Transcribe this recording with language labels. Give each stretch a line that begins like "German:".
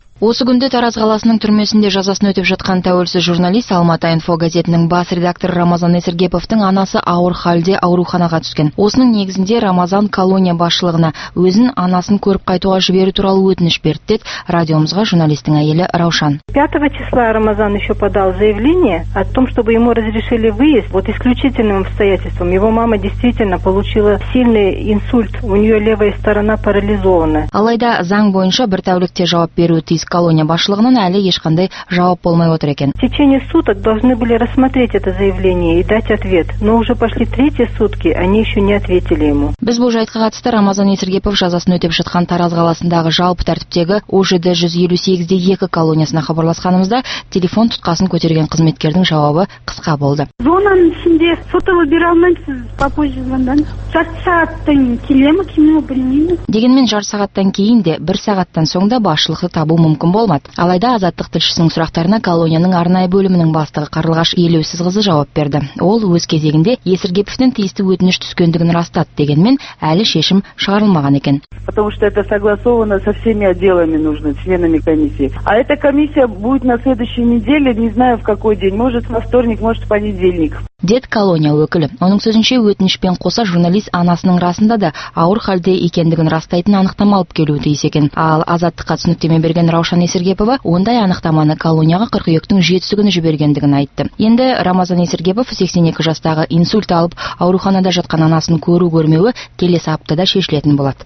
Kazakh: Осы күнде Тараз қаласының түрмесінде жазасын өтеп жатқан тәуелсіз журналист Алматы Инфо газетінің бас редакторы Рамазан Есіргеповтің анасы ауыр халде ауруханаға түскен. Осының негізінде Рамазан колония басшылығына өзін анасын көріп қайтуға жіберу туралы өтініш берді деп радиомызға журналистің әйелі Раушан.
Russian: 5 числа Рамазан еще подал заявление о том, чтобы ему разрешили выезд под исключительным обстоятельством. Его мама действительно получила сильный инсульт, у нее левая сторона парализована.
Kazakh: Алайда заң бойынша бір тәулікте жауап беруі тиіс. Колония басшылығынан әлі ешқандай жауап болмай отыр екен.
Russian: В течение суток должны были рассмотреть это заявление и дать ответ, но уже пошли третьи сутки, они еще не ответили ему.
Kazakh: Біз бұл жайтқа қатысты Рамазан Есіргепов жазасын өтеп жатқан Тараз қаласындағы жалпы тәртіптегі ОЖД 158-2 колониясына хабарласқанымызда телефон тұтқасын көтерген қызметкердің жауабы қысқа болды. Зонаның ішінде сотовый бере алмайсыз,
Russian: попозже
Kazakh: звондан. Жарты сағаттан келемін, кімді білмеймін. Дегенмен жарты сағаттан кейін де бір сағаттан соң да басшылықты табу мүмкін болмады. Алайда Азаттық тілшісінің сұрақтарына колонияның арнайы бөлімінің бастығы Қарлығаш Елеусіз қызы жауап берді. Ол өз кезегінде Есіргеповтен тиісті өтініш түскендігін растады, дегенмен әлі шешім шығарылмаған екен.
Russian: Потому что это согласовано со всеми отделами нужно, членами комиссии. А эта комиссия будет на следующей неделе, не знаю в какой день, может во вторник, может в понедельник.
Kazakh: Дед колония өкілі. Оның сөзінше өтінішпен қоса журналист анасының расында да ауыр халде екендігін растайтын анықтама алып келуі тиіс екен. Ал Азаттыққа түсініктеме берген Раушан Есіргепова ондай анықтаманы колонияға 42-тің 7-сі күні жібергендігін айтты. Енді Рамазан Есіргепов 82 жастағы инсульт алып ауруханада жатқан анасын көру көрмеуі келесі аптада шешілетін болады.